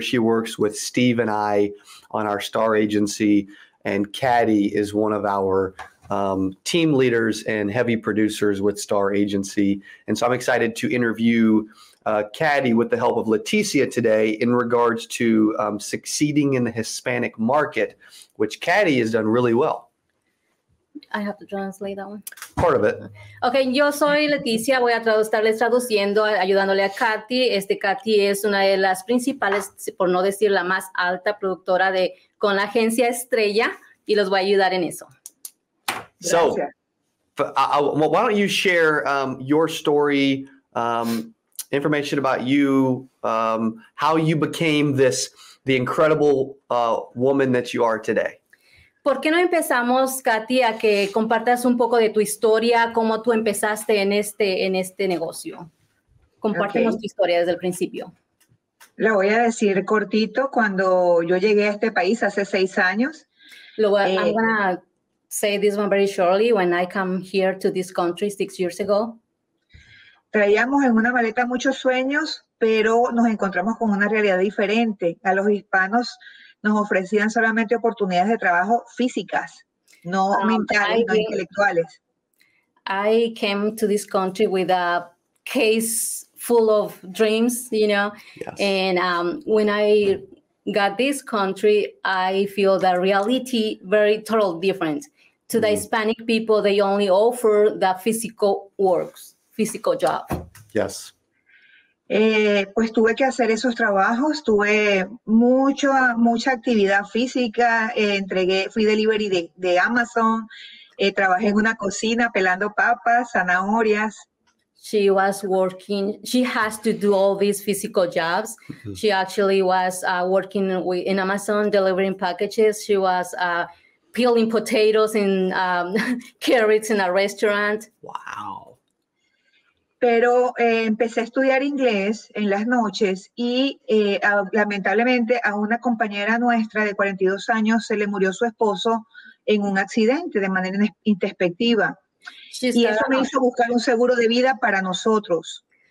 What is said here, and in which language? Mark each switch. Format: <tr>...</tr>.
<en>She works with Steve and I on our Star Agency, and Katie is one of our team leaders and heavy producers with Star Agency. And so I'm excited to interview Katie with the help of Leticia today in regards to succeeding in the Hispanic market, which Katie has done really well. I have to translate that one. Part of it.</en> <es>Okay, yo soy Leticia, voy a estarles traduciendo, ayudándole a Katy. Katy es una de las principales, por no decir la más alta productora de con la agencia Estrella, y los voy a ayudar en eso.</es> <en>So, why don't you share your story, information about you, how you became this, the incredible woman that you are today?</en> <es>¿Por qué no empezamos, Katy, a que compartas un poco de tu historia, cómo tú empezaste en este negocio? Compártenos tu historia desde el principio. La voy a decir cortito. Cuando yo llegué a este país hace 6 años.</es> <en>I'm going to say this one very shortly. When I came here to this country 6 years ago.</en> <es>Traíamos en una maleta muchos sueños, pero nos encontramos con una realidad diferente. A los hispanos nos ofrecían solamente oportunidades de trabajo físicas, no mentales, no intelectuales.</es> <en>I came to this country with a case full of dreams, you know. Yes. And when I got this country, I feel the reality very totally different. To the Hispanic people, they only offer the physical works, physical job. Yes.</en> <es>Pues tuve que hacer esos trabajos, tuve mucha actividad física, fui delivery de Amazon, trabajé en una cocina pelando papas, zanahorias.</es> <en>She was working, she has to do all these physical jobs. Mm-hmm. She actually was working in Amazon, delivering packages. She was peeling potatoes and carrots in a restaurant. Wow.</en> <es>Pero empecé a estudiar inglés en las noches y lamentablemente a una compañera nuestra de 42 años se le murió su esposo en un accidente de manera introspectiva. Y eso me hizo buscar un seguro de vida para nosotros.</es>